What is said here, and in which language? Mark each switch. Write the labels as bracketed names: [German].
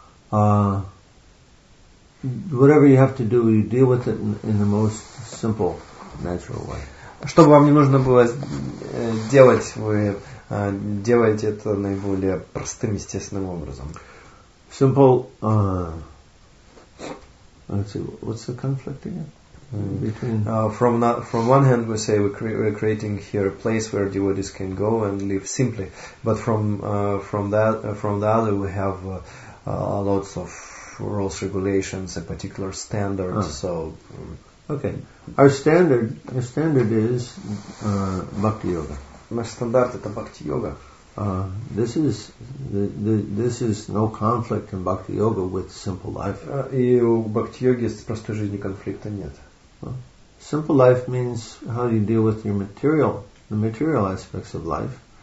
[English] whatever you have to do, you deal with it in the most simple, natural way. [Russian] Что бы вам не нужно было делать, вы делаете это наиболее простым, естественным образом. [English] Simple, let's see, what's the conflict again? From one hand, we say we're creating here a place where devotees can go and live simply. But from the other, we have lots of rules, regulations, a particular standard. Okay. Our standard is bhakti yoga. [Russian] Наш стандарт это бхакти йога. [English] This is no conflict in bhakti yoga with simple life. [Russian] И у бхакти йоги с простой жизнью конфликта нет. [English] Simple life means how you deal with your material, the material aspects of life.